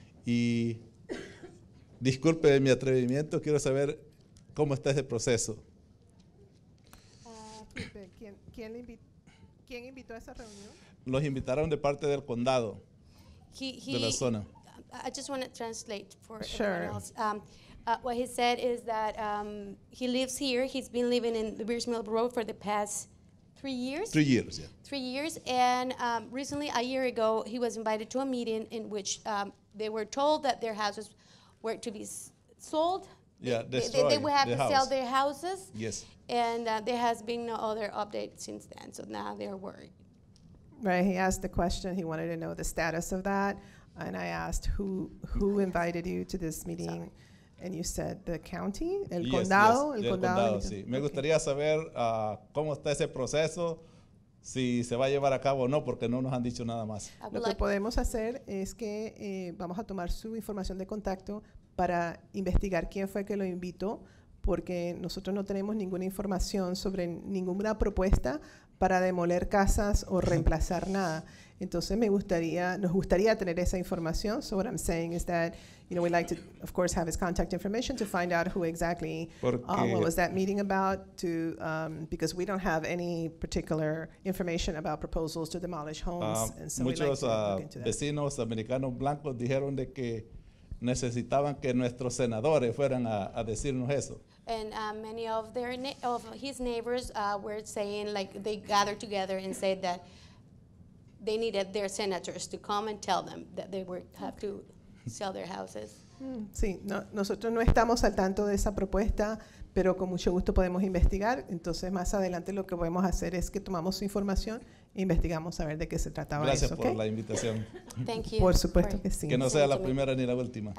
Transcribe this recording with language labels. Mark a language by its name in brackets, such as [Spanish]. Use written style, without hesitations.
[Spanish] Y disculpe mi atrevimiento, quiero saber cómo está ese proceso. ¿Quién invitó a esa reunión? Los invitaron de parte del condado, de la zona. [English] I just want to translate for sure. Else. What he said is that he lives here. He's been living in the Veers Mill Road for the past 3 years. 3 years, yeah. 3 years, and recently, a year ago, he was invited to a meeting in which they were told that their houses were to be sold. Yeah, they would have to sell their houses. Yes. And there has been no other update since then, so now they're worried. Right, he asked the question, he wanted to know the status of that, and I asked who invited you to this meeting, and you said the county, el condado. [Spanish] Yes, el condado, condado, sí. Okay. Me gustaría saber cómo está ese proceso, si se va a llevar a cabo o no, porque no nos han dicho nada más. Lo que podemos hacer es que vamos a tomar su información de contacto para investigar quién fue que lo invitó, porque nosotros no tenemos ninguna información sobre ninguna propuesta para demoler casas o reemplazar nada. Entonces nos gustaría tener esa información. [English] So what I'm saying is that, you know, we'd like to, of course, have his contact information to find out who exactly, what was that meeting about, to because we don't have any particular information about proposals to demolish homes. And so [Spanish] muchos [English] we'd like to look into that. [Spanish] Vecinos americanos blancos dijeron de que necesitaban que nuestros senadores fueran a decirnos eso. [English] And many of their his neighbors were saying, like, they gathered together and said that they needed their senators to come and tell them that they would have to sell their houses. [Spanish] Sí, nosotros no estamos al tanto de esa propuesta, pero con mucho gusto podemos investigar. Entonces, más adelante lo que podemos hacer es que tomamos su información e investigamos a ver de qué se trataba. Gracias eso, por [English] okay? [Spanish] la invitación. [English] Thank you. [Spanish] Por supuesto que sí. Que no sea la primera ni la última.